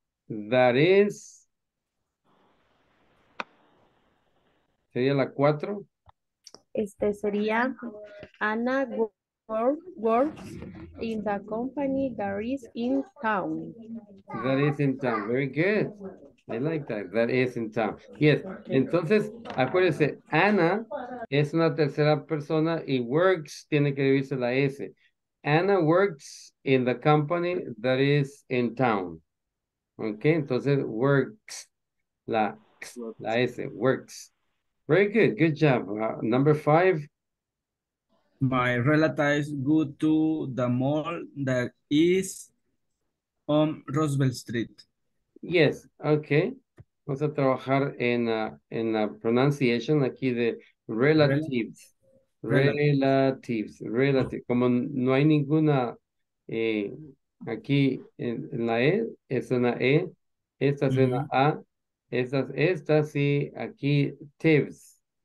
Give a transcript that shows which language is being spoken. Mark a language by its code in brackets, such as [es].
[en] That is. [es] Sería la cuatro. Este sería [en] Anna works in the company that is in town. That is in town. Very good. I like that. That is in town. Yes. [es] Entonces, acuérdense, Anna es una tercera persona y works tiene que dividirse la S. [en] Anna works in the company that is in town. Okay. [es] Entonces, [en] works. [es] La S. [en] Works. Very good. Good job. Number five. My relatives go to the mall that is on Roosevelt Street. Yes. Okay. [es] Vamos a trabajar en la pronunciation aquí de relatives. Relatives. Relatives. Como no hay ninguna aquí en la E, es una E. Esta es una A. Esta sí, aquí, tips.